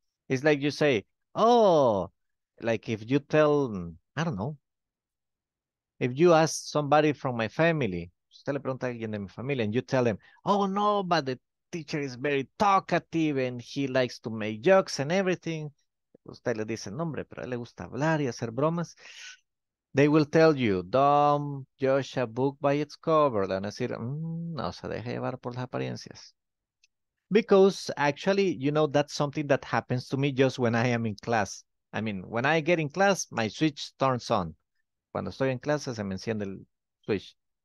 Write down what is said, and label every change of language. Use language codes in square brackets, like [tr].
[en] It's like you say, oh, like if you tell, I don't know, if you ask somebody from my family, [es] usted le pregunta a alguien de mi familia, [en] and you tell him, oh, no, but the teacher is very talkative and he likes to make jokes and everything. [es] Usted le dice, no, hombre, pero a él le gusta hablar y hacer bromas. [en] They will tell you, don't judge a book by its cover. [es] Van a decir, no se deje llevar por las apariencias. [en] Because actually, you know, that's something that happens to me just when I am in class. I mean, when I get in class, my switch turns on. [es] Cuando estoy en clase, se me enciende el switch.